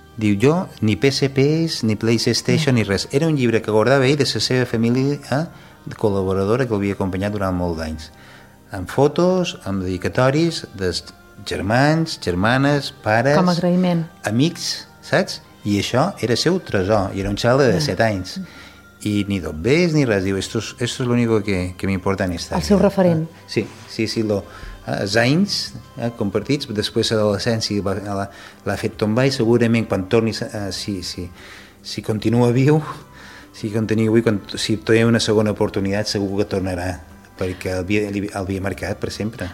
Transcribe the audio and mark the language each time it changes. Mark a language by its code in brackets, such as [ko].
[ca] Diu, jo, ni PSPs, ni PlayStation, ni res. Era un llibre que guardava ell de la seva família col·laboradora que l'havia acompanyat durant molts anys. Amb fotos, amb dedicatoris, dels germans, germanes, pares... Com agraïment. Amics, saps? I això era seu tresor, i era un xaval de 7 anys. I ni dobbes ni res. Diu, [es] esto es lo único que me importa en esta. [ca] El seu referent. Sí, lo... els anys compartits, després l'adolescència l'ha fet tombar i segurament quan torni, si continua viu, si continua avui, si té una segona oportunitat segur que tornarà, perquè el havia marcat per sempre.